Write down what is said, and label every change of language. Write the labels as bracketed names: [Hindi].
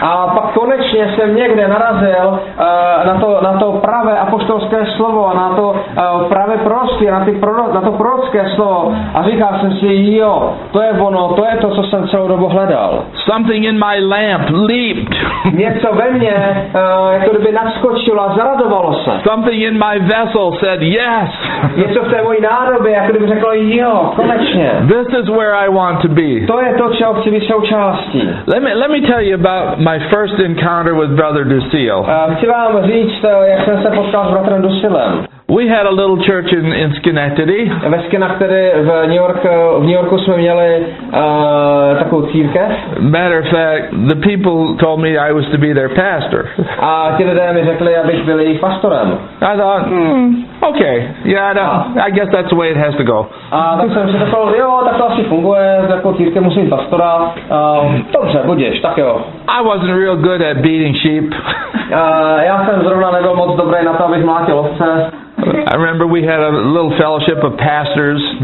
[Czech] A pak konečně jsem někde narazil na to pravé apoštolské slovo a na to pravé proroctví, na to prorocké slovo a říkal jsem si, jo, to je ono, to je to, co jsem celou dobu hledal. [English] Something in my lamp leaped. [Czech] Něco ve mně jako kdyby naskočilo a zaradovalo se. [English] Something in my vessel said yes. [Czech] Něco v té mojí nádobě jako kdyby řeklo, jo, konečně. [English] This is where I want to be. [Czech] To je to, čeho chci být součástí. [English] Let me tell you about my first encounter with Brother Dusil. [Czech] Chci vám říct, jak jsem se potkal s bratrem Dusilem. [English] We had a little church in Schenectady. [Czech] Ve Schenectady v New Yorku jsme měli takovou církev. [English] Matter of fact, the people told me I was to be their pastor. [Czech] A ti lidé mi řekli, abych byl jejich pastorem. [English] I thought, okay, yeah, no, I guess that's the way it has to go. [Czech] A tak jsem si řekl, jo, tak to asi funguje, jako církev musím pastora. Dobře, budeš, tak jo. [English] I wasn't real good at beating sheep. [Czech] Já jsem zrovna nebyl moc dobrý na to, abych mlátil ovce. [English] I remember we had a little fellowship of pastors.